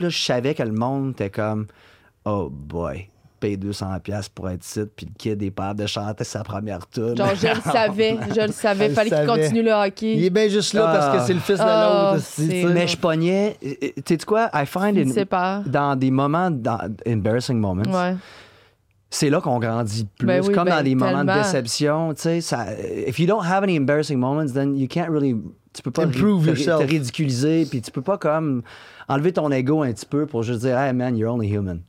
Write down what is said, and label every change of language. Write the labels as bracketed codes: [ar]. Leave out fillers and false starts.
[fr] Puis là, je savais que le monde était comme « Oh boy, paye 200$ pour être ici, puis le kid est capable de chanter sa première toune. » Genre, je le savais, fallait qu'il continue le hockey. Il est bien juste là parce que c'est le fils de l'autre. Mais je pognais, tu sais quoi, [en] I find [fr] dans des moments, dans [en] embarrassing moments, [fr] c'est là qu'on grandit plus, ben oui, comme ben dans les tellement. Moments de déception. Tu sais, ça, [en] if you don't have any embarrassing moments, then you can't really... [fr] Tu peux pas [en] improve yourself. [fr] Te ridiculiser, puis tu peux pas comme enlever ton ego un petit peu pour juste dire, [en] hey man, you're only human.